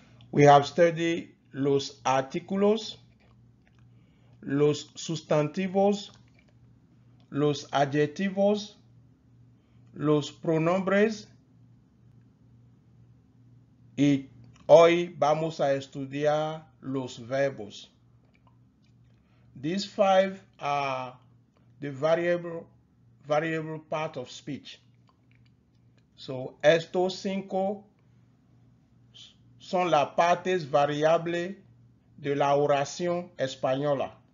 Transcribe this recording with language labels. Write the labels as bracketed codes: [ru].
[en] We have studied [es] los artículos, los sustantivos, los adjetivos, los pronombres y hoy vamos a estudiar los verbos. [en] These five are the variable part of speech. [es] So estos cinco son la parte variable de la oración española.